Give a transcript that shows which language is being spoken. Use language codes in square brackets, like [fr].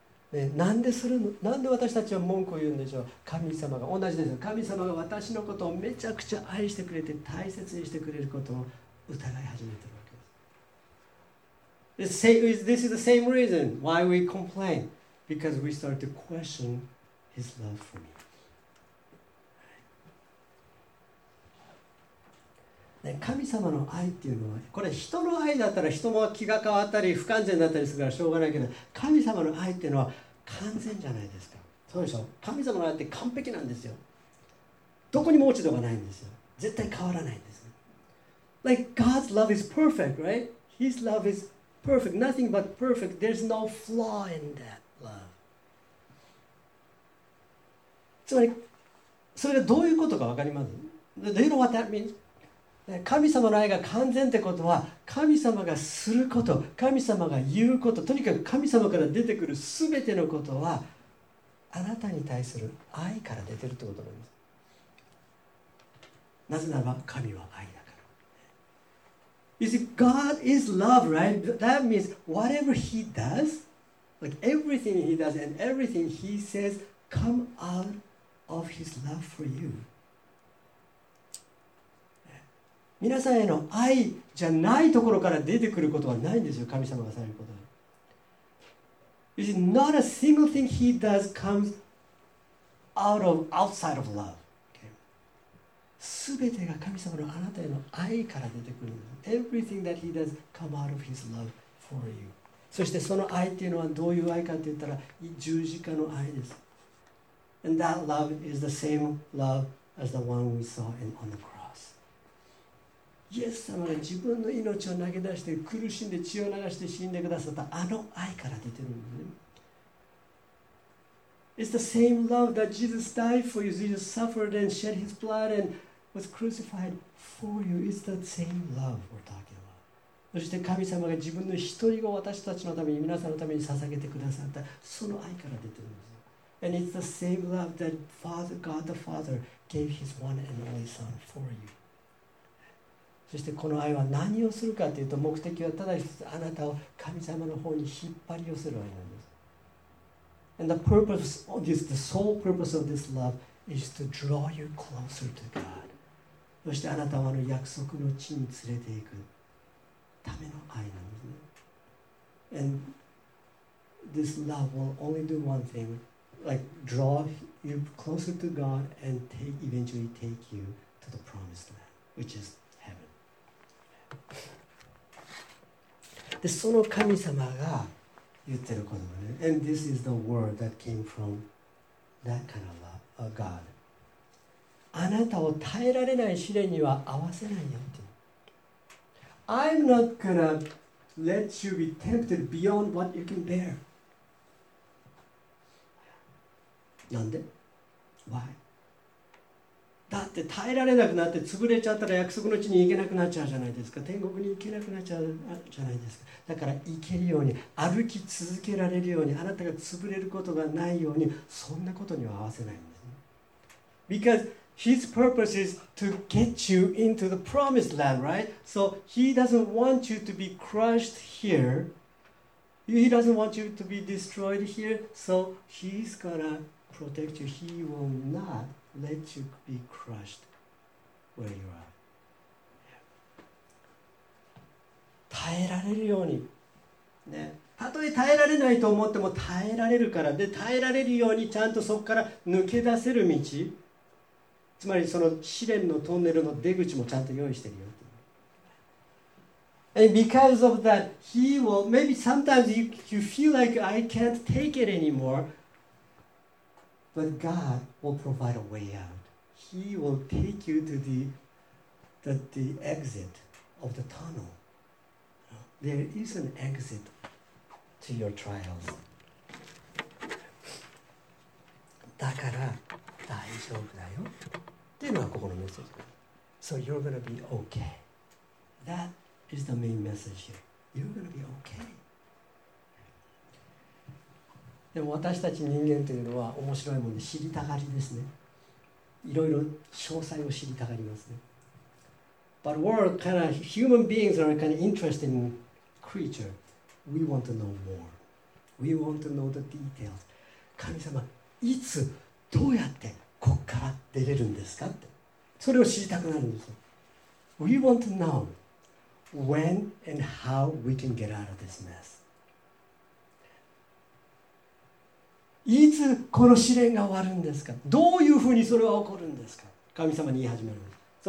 [ja] ね、なんでするの、なんで私たちは文句を言うんでしょう。神様が同じですよ。神様が私のことをめちゃくちゃ愛してくれて大切にしてくれることを疑い始めてるわけです。 [en] This is the same reason why we complain. Because we start to question his love for me.、 [ja] ね、神様の愛っていうのは、これ人の愛だったら人も気が変わったり不完全だったりするからしょうがないけど、神様の愛っていうのは完全じゃないですか。そうでしょ。神様の愛って完璧なんですよ。どこにも落ち度がないんですよ。絶対変わらないんです。 [en] Like God's love is perfect, right? His love is perfect. Nothing but perfect. There's no flaw in that love. [ja] つまり、それがどういうことか分かります? [en] Do you know what that means? [ja] 神様の愛が完全ってことは、神様がすること、神様が言うこと、とにかく神様から出てくるすべてのことは、あなたに対する愛から出てるってことなんです。なぜならば、神は愛だから。 [en] You see, God is love, right? That means whatever he does, like everything he does and everything he says, come out of his love for you. [ja] 皆さんへの愛じゃないところから出てくることはないんですよ、神様がされることは。 [en] You see, not a single thing he does comes outside of love. Okay. [ja] 全てが神様のあなたへの愛から出てくるんです。 [en] Everything that he does come out of his love for you. [ja] そしてその愛っていうのはどういう愛かって言ったら、十字架の愛です。 [en] And that love is the same love as the one we saw on the cross. [ja] イエス様が自分の命を投げ出して苦しんで血を流して死んでくださった、あの愛から出てるんですね。 [en] It's the same love that Jesus died for you. Jesus suffered and shed his blood and was crucified for you. It's the same love we're talking about. [ja] そして神様が自分の一人を私たちのために、皆さんのために捧げてくださった、その愛から出てるんです。 [en] And it's the same love that Father, God the Father gave his one and only son for you. [ja] そしてこの愛は何をするかというと、目的はただ一つ、あなたを神様の方に引っ張り寄せる愛なんです。 [en] And the purpose of this, the sole purpose of this love is to draw you closer to God. [ja] そしてあなたをあの約束の地に連れて行くための愛なんですね。 [en] And this love will only do one thing, like draw you closer to God and take, eventually take you to the promised land, which is heaven. [ja] で、その神様が言ってる言葉ね。 [en] And this is the word that came from that kind of a God. [ja] あなたを耐えられない試練には合わせないよって。 [en] I'm not gonna let you be tempted beyond what you can bear. [ja] なんで [en] ？Why？ [ja] だって耐えられなくなって潰れちゃったら約束の地に行けなくなっちゃうじゃないですか。天国に行けなくなっちゃうじゃないですか。だから行けるように歩き続けられるようにあなたが潰れることがないようにそんなことには合わせないんですね。 [en] BecauseHis purpose is to get you into the promised land, right? So he doesn't want you to be crushed here. He doesn't want you to be destroyed here. So he's gonna protect you. He will not let you be crushed where you are. [ja] 耐えられるように、ね、たとえ耐えられないと思っても耐えられるから。で、耐えられるようにちゃんとそこから抜け出せる道。つまりその試練のトンネルの出口もちゃんと用意してるよって。 [en] And because of that, he will, maybe sometimes you feel like I can't take it anymore, but God will provide a way out. He will take you to the exit of the tunnel. There is an exit to your trials. [ja] だから大丈夫だよ。っていうのはここのメッセージ。 [en] So you're gonna be okay. That is the main message here. You're gonna be okay. [ja] でも私たち人間というのは面白いもんで知りたがりですね。いろいろ詳細を知りたがりますね。 [en] But we're kind of human beings are kind of interesting creature. We want to know more. We want to know the details. [ja] 神様、いつ、どうやって。こっから出れるんですかって、それを知りたくなるんですよ。 [en] We want to know when and how we can get out of this mess. [ja] いつこの試練が終わるんですか。どういうふうにそれは起こるんですか。神様に言い始めるんです。